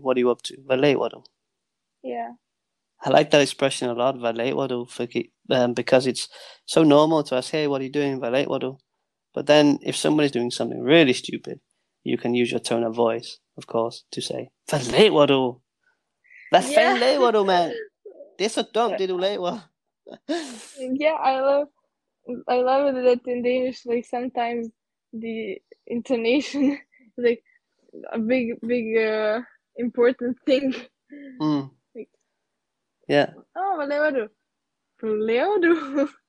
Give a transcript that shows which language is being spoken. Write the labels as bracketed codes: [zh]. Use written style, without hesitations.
[en] What are you up to? [da] Hvad laver du? Yeah. [en] I like that expression a lot, [da] hvad laver du, [en] because it's so normal to ask, hey, what are you doing? [da] Hvad laver du? [en] But then if somebody's doing something really stupid, you can use your tone of voice, of course, to say, [da] hvad laver du? Hvad fanden laver du, man? Det er så dumt, det du laver. [en] Yeah, I love it that in Danish, like, sometimes the intonation, like a big, big, important thing. Mm. Oh, valeodo.